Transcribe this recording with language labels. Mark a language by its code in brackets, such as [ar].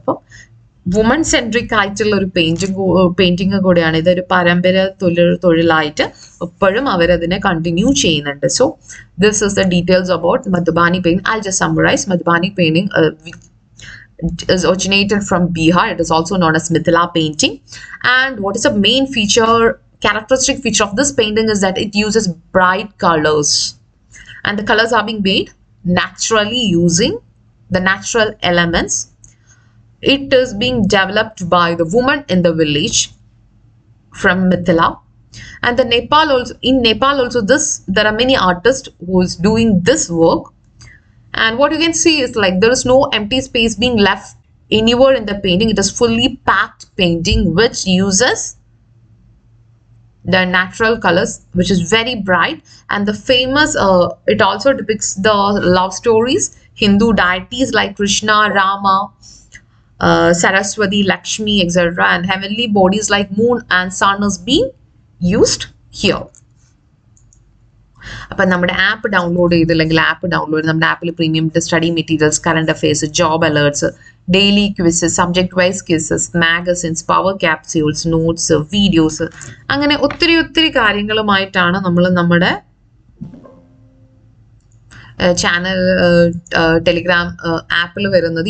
[ml] അപ്പം woman centric ആയിട്ടുള്ള ഒരു പെയിന്റിംഗ് കൂടെയാണ് ഇതൊരു പരമ്പര തൊഴിലായിട്ട് ഇപ്പോഴും അവരതിനെ കണ്ടിന്യൂ ചെയ്യുന്നുണ്ട്. [en] So this is the details about Madhubani painting. I just summarise, Madhubani painting is originated from Bihar. It is also known as Mithila painting. And what is the main feature, characteristic feature of this painting is that it uses bright colors. And the colors are being made naturally using the natural elements. It is being developed by the woman in the village from Mithila. And the Nepal also, in Nepal also this, there are many artists who is doing this work. And what you can see is like there is no empty space being left anywhere in the painting. It is fully packed painting which uses the natural colors, which is very bright. And the famous, it also depicts the love stories, Hindu deities like Krishna, Rama, Saraswati, Lakshmi, etc. And heavenly bodies like moon and sun is being used here. [ml] അപ്പൊ നമ്മുടെ app download ചെയ്തില്ലെങ്കിൽ app download ചെയ്ത് നമ്മുടെ ആപ്പിൽ premium study materials, current affairs, job alerts, daily quizzes, subject wise quizzes, magazines, power capsules, notes, videos, അങ്ങനെ ഒത്തിരി ഒത്തിരി കാര്യങ്ങളുമായിട്ടാണ് നമ്മൾ നമ്മുടെ ചാനൽ ടെലിഗ്രാം ആപ്പിൽ വരുന്നത്.